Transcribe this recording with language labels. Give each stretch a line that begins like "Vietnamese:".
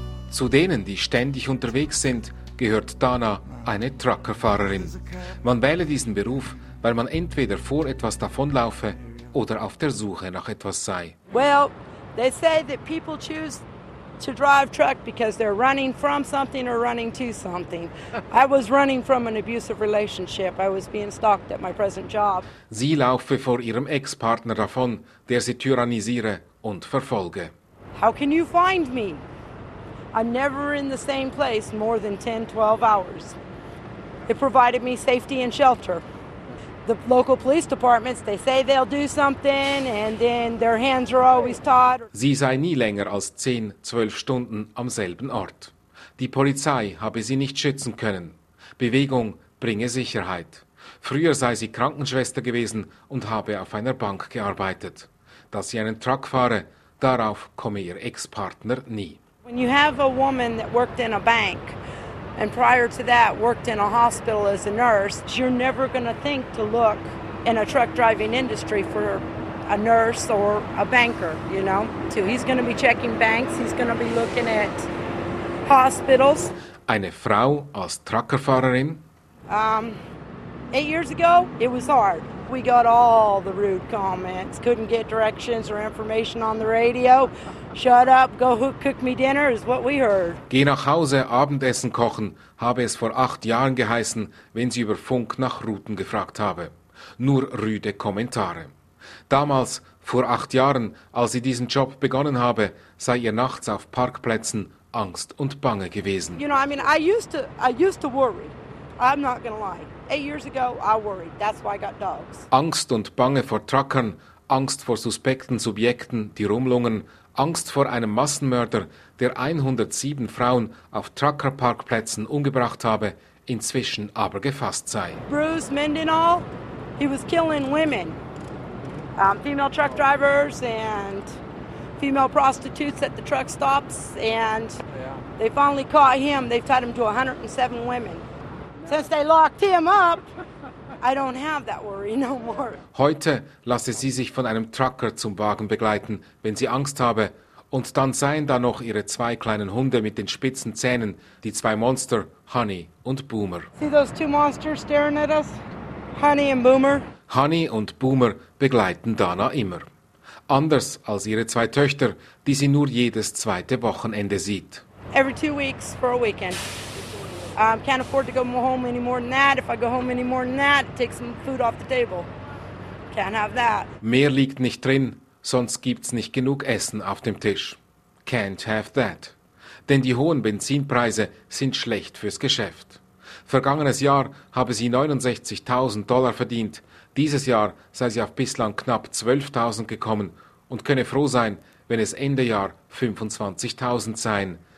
German: Zu denen, die ständig unterwegs sind, gehört Dana, eine Truckerfahrerin. Man wähle diesen Beruf, weil man entweder vor etwas davonlaufe oder auf der Suche nach etwas sei.
English: Well, they say that people choose to drive truck because they're running from something or running to something. I was running from an abusive relationship. I was being stalked at my present job.
German: Sie laufe vor ihrem Ex-Partner davon, der sie tyrannisiere und verfolge.
English: How can you find me? I'm never in the same place more than 10, 12 hours. It provided me safety and shelter. The local police departments, they say they'll do something and then their hands are always tied.
German: Sie sei nie länger als 10, 12 Stunden am selben Ort. Die Polizei habe sie nicht schützen können. Bewegung bringe Sicherheit. Früher sei sie Krankenschwester gewesen und habe auf einer Bank gearbeitet. Dass sie einen Truck fahre, darauf komme ihr Ex-Partner nie.
English: When you have a woman that worked in a bank and prior to that worked in a hospital as a nurse, you're never going to think to look in a truck driving industry for a nurse or a banker, you know. So he's going to be checking banks, he's going to be looking at hospitals.
German: Eine Frau als Truckerfahrerin?
English: 8 years ago, it was hard. We got all the rude comments. Couldn't get directions or information on the radio. Shut up, go cook me dinner, is what we heard.
German: Geh nach Hause, Abendessen kochen, habe es vor 8 Jahren geheißen, wenn sie über Funk nach Routen gefragt habe. Nur rüde Kommentare. Damals, vor 8 Jahren, als sie diesen Job begonnen habe, sei ihr nachts auf Parkplätzen Angst und Bange gewesen.
English: You know, I mean, I used to worry. I'm not gonna lie. 8 years ago, I worried. That's why I got dogs.
German: Angst und Bange vor Truckern, Angst vor suspekten Subjekten, die rumlungen, Angst vor einem Massenmörder, der 107 Frauen auf Truckerparkplätzen umgebracht habe, inzwischen aber gefasst sei.
English: Bruce Mendenhall, he was killing women. Female truck drivers and female prostitutes at the truck stops. And they finally caught him. They've tied him to 107 women. Since they locked him up, I don't have that worry no more.
German: Heute lasse sie sich von einem Trucker zum Wagen begleiten, wenn sie Angst habe. Und dann seien da noch ihre zwei kleinen Hunde mit den spitzen Zähnen, die zwei Monster, Honey und Boomer.
English: See those two monsters staring at us? Honey and Boomer.
German: Honey und Boomer begleiten Dana immer. Anders als ihre zwei Töchter, die sie nur jedes zweite Wochenende sieht.
English: Every 2 weeks for a weekend. I can't afford to go home any more than that. If I go home any more than that, take some food off the table. Can't have that.
German: Mehr liegt nicht drin, sonst gibt's nicht genug Essen auf dem Tisch.
English: Can't have that.
German: Denn die hohen Benzinpreise sind schlecht fürs Geschäft. Vergangenes Jahr habe sie $69,000 verdient. Dieses Jahr sei sie auf bislang knapp 12.000 gekommen und könne froh sein, wenn es Ende Jahr 25.000 seien.